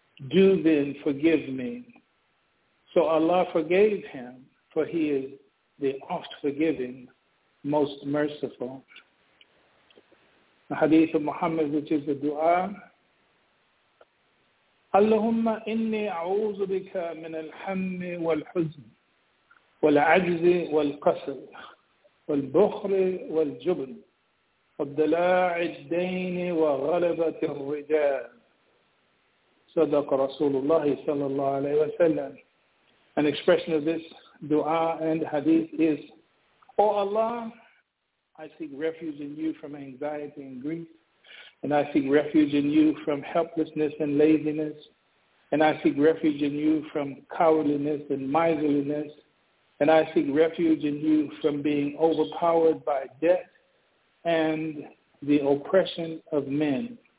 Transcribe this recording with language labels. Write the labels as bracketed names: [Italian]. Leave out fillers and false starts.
[English] Do then forgive me. So Allah forgave him, for he is the oft-forgiving, most merciful. The hadith of Muhammad, which is the dua, [Arabic] اللهم إني أعوذ بك من الهم والحزن والعجز والقصر والبخل والجبن وابتلاء الدين وغلبة الرجال. صدق رسول الله صلى الله عليه وسلم. [English] An expression of this dua and hadith is, O Allah, I seek refuge in you from anxiety and grief, and I seek refuge in you from helplessness and laziness, and I seek refuge in you from cowardliness and miserliness, and I seek refuge in you from being overpowered by debt and the oppression of men.